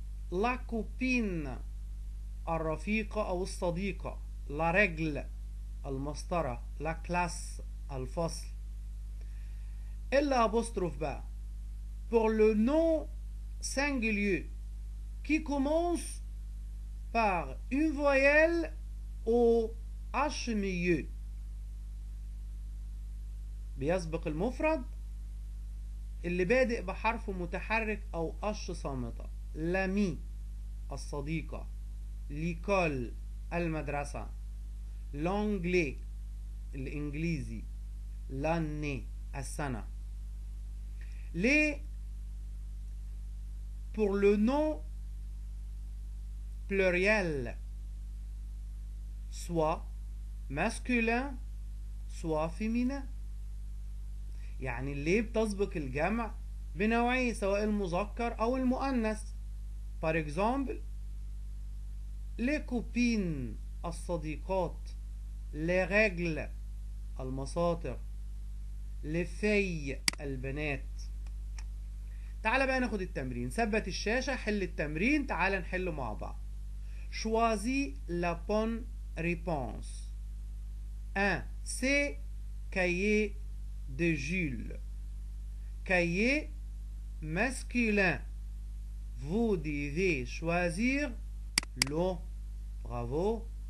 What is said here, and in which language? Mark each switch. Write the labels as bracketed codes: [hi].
[fr] La copine, al-rafiqa ou al-sadiqa, la règle, al-mastara, la classe, al-fasl. Et l'apostrophe ba pour le nom singulier qui commence par une voyelle au h milieu. [ar] بيسبق المفرد اللي بادئ بحرف متحرك او اش صامتة. لامي الصديقة، ليكول المدرسة، لونجلي الانجليزي، لاني السنة. [fr] Les pour le nom pluriel, soit masculin, soit féminin. [ar] يعني اللي بتسبق الجمع بنوعين سواء المذكر أو المؤنث. [fr] Par exemple, les copines, الصديقات, les règles, المصادر, les filles, البنات. [ar] تعال بقى ناخد التمرين، ثبت الشاشة، حل التمرين، تعال نحله مع بعض. [fr] شوازي la bonne réponse. 1. سي cahier de Jules. cahier masculin. Vous devez choisir l'eau. Bravo.